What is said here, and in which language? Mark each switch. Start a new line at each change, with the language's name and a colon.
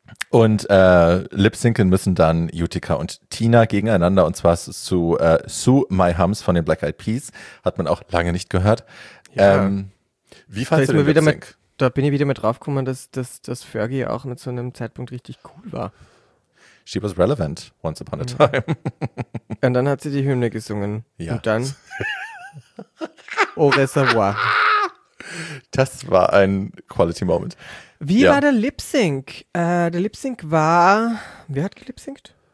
German: Und lip-sinken müssen dann Utica und Tina gegeneinander und zwar zu Sue My Hums von den Black Eyed Peas. Hat man auch lange nicht gehört. Ja. Wie fandest du den Lip-Sync? Da bin ich wieder mit drauf gekommen, dass Fergie auch mit so einem Zeitpunkt richtig cool war.
English: She was relevant once upon a time.
German: Und dann hat sie die Hymne gesungen. Ja. Und dann Au Reservoir. Das war ein Quality Moment. Wie war der Lip-Sync? Der Lip-Sync war, wer hat gelip-synced?